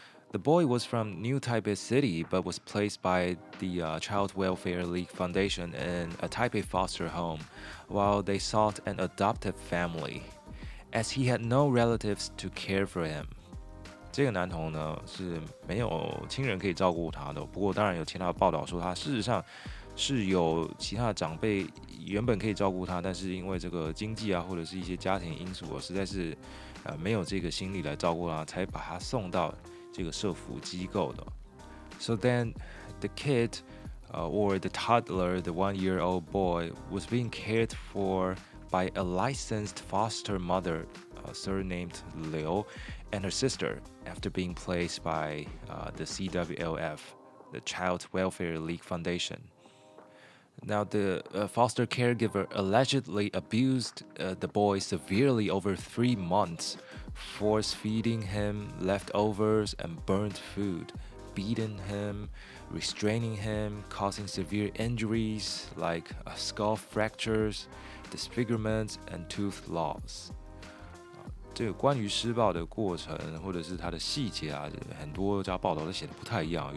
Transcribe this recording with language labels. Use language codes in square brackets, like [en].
[en] The boy was from New Taipei City, but was placed by the Child Welfare League Foundation in a Taipei foster home while they sought an adoptive family, as he had no relatives to care for him. [zh] 这个男童呢是没有亲人可以照顾他的，不过当然有其他报道说他事实上是有其他的长辈原本可以照顾他，但是因为这个经济啊，或者是一些家庭因素，实在是没有这个心力来照顾他，才把他送到这个社福机构的。 [en] So then, the kid, or the toddler, the one-year-old boy, was being cared for by a licensed foster mother, surnamed Liu, and her sister, after being placed by the CWLF, the Child Welfare League Foundation. Now, the foster caregiver allegedly abused the boy severely over 3 months, force-feeding him leftovers and burnt food, beating him, restraining him, causing severe injuries like skull fractures, disfigurements, and tooth loss. [zh] 这个关于施暴的过程或者是它的细节啊，很多家报道都写的不太一样。